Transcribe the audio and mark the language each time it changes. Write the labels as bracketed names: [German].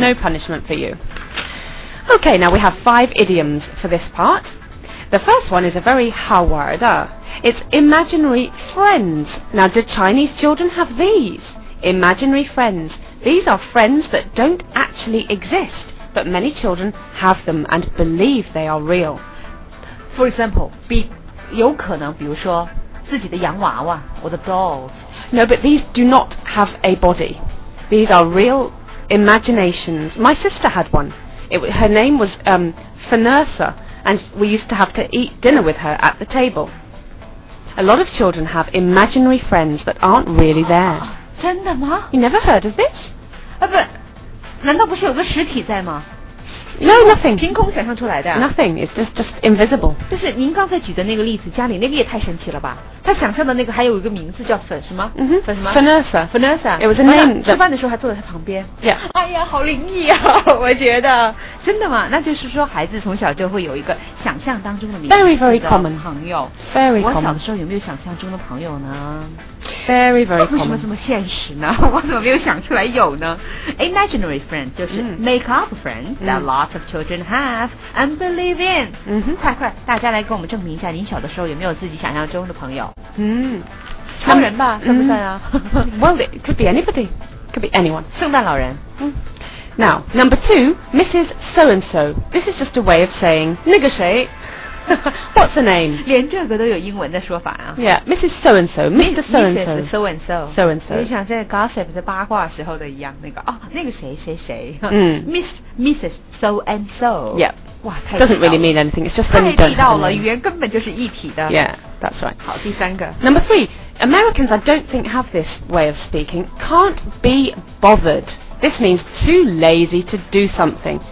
[English] No punishment for you OK now we have 5 idioms for this part The first one is a very how word It's imaginary friends Now do Chinese children have these? Imaginary friends These are friends that don't actually exist But many children have them and believe they are real For example [Chinese] 有可能比如说自己的洋娃娃 [English] or the dolls No, but these do not have a body These are real imaginations My sister had one Her name was Fenersa And we used to have to eat dinner with her at the table A lot of children have imaginary friends that aren't really there [Chinese] 真的吗 [English] You never heard of this? [Chinese] But 难道不是有个实体在吗 [English] No, nothing. [Chinese] 凭空想象出来的。 [English] Nothing. It's just invisible. [Chinese] 但是您刚才举的那个例子，家里那个也太神奇了吧？他想象的那个还有一个名字叫粉什么？嗯哼，粉什么 [English] ？Fenersa. Fenersa. It was a name. [Chinese] 吃饭的时候还坐在他旁边。 [English] Yeah. [Chinese] 哎呀，好灵异啊！我觉得。真的吗？那就是说孩子从小就会有一个想象当中的名字。 [English] Very very common. [Chinese] 朋友。 [English] Very common. [Chinese] 我小的时候有没有想象中的朋友呢 [English] ？Very very common. [Chinese] 为什么这么现实呢？我怎么没有想出来有呢 [English] ？Imaginary friend [Chinese] 就是 [English] make up friend that lots of children have and believe in. 嗯哼， [Chinese] 快快，大家来跟我们证明一下，您小的时候有没有自己想象中的朋友？嗯，超人吧，算不算啊 [English] ？Well, it could be anybody, could be anyone. [Chinese] 圣诞老人。 [English] 嗯。Now, number two, Mrs. So and So. This is just a way of saying [Chinese] 那个谁。 [English] What's her name? [Chinese] 连这个都有英文的说法啊。 [English] Yeah, Mrs. So and So, Mr. So and So, So and So, So and So. [Chinese] 你想在 gossip 在八卦时候的一样那个啊、哦，那个谁谁谁。嗯。 [English] Mrs. So and So. Yep. [Chinese] 哇太 [English] Doesn't really mean anything. It's just [Chinese] 太地道了，语言根本就是一体的。 [English] Yeah, that's right. [Chinese] 好，第三个。 [English] Number three, Americans, I don't think have this way of speaking. Can't be bothered. This means too lazy to do something.